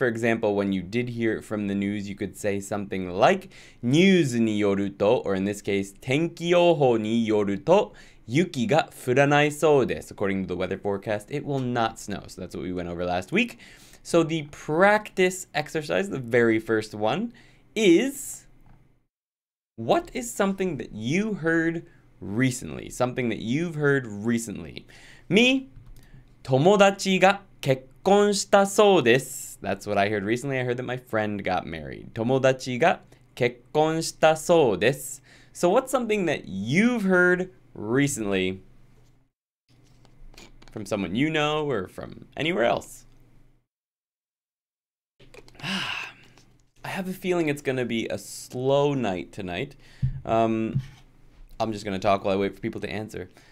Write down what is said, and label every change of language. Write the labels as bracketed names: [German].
[English] For example, when you did hear it from the news, you could say something like, [Japanese] ニュースによると, [English] or in this case, [Japanese] 天気予報によると, 雪が降らないそうです. [English] According to the weather forecast, it will not snow. So that's what we went over last week. So the practice exercise, the very first one, is, what is something that you heard recently, something that you've heard recently. [Japanese] Me, 友達が結婚したそうです. [English] That's what I heard recently. I heard that my friend got married. [Japanese] 友達が結婚したそうです. [English] So what's something that you've heard recently from someone you know or from anywhere else? I have a feeling it's going to be a slow night tonight. I'm just going to talk while I wait for people to answer.